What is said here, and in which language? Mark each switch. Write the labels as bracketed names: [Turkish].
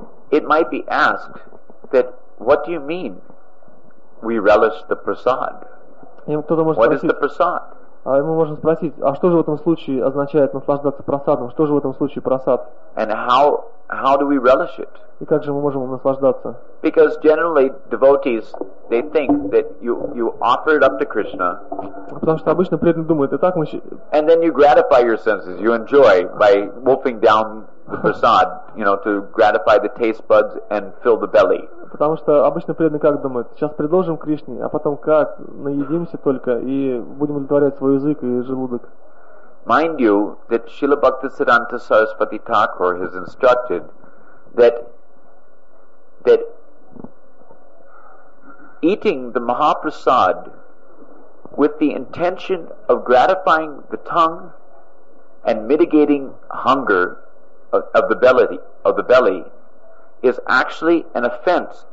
[English] It might be asked that what do you mean we relish the prasad? What is the prasad? [Russian] Мы можем спросить, а что же в этом случае означает наслаждаться просадом? Что же в этом случае просад? [English] And how do we relish it? [Russian] И как же мы можем им наслаждаться? [English] Because generally devotees they think that you offer it up to Krishna. [Russian] Потому что обычно преданные думают, итак, мы. [English] And then you gratify your senses, you enjoy by wolfing down the prasad, you know, to gratify the taste buds and fill the belly. [Russian] Потому что обычно преданные как думают, сейчас предложим Кришне, а потом как наедимся только и будем удовлетворять свой язык и желудок. [English] Mind you, that Srila Bhaktisiddhanta Saraswati Thakur has instructed that eating the Mahaprasad with the intention of gratifying the tongue and mitigating hunger of the belly is actually an offense.